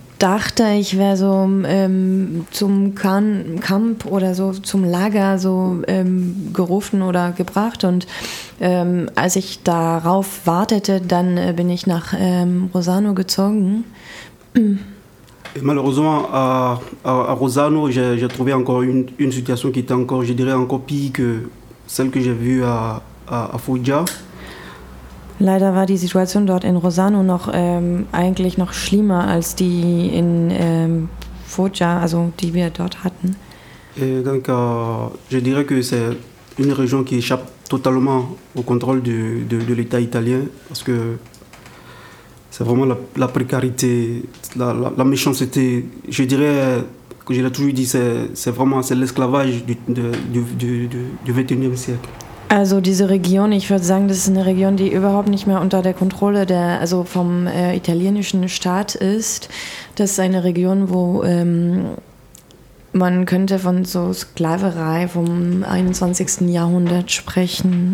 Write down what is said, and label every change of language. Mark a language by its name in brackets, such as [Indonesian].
[German] dachte, ich wäre so zum Camp oder so zum Lager so gerufen oder gebracht. Und als ich darauf wartete, dann bin ich nach Rosano gezogen. [French] Malheureusement, à Rosano, j'ai trouvé encore une situation qui était encore, je dirais, encore pire que celle que j'ai vue à Foggia. [German] Leider war die Situation dort in Rosano noch eigentlich noch schlimmer als die in Foggia, also die wir dort hatten. [French] Donc, je dirais que c'est une région qui échappe totalement au contrôle de l'État italien, parce que c'est vraiment la précarité, la méchanceté. Je dirais, que j'ai toujours dit, c'est vraiment c'est l'esclavage du 21e siècle. [German] Also diese Region, ich würde sagen, das ist eine Region, die überhaupt nicht mehr unter der Kontrolle der, also vom italienischen Staat ist. Das ist eine Region, wo man könnte von so Sklaverei vom 21. Jahrhundert sprechen.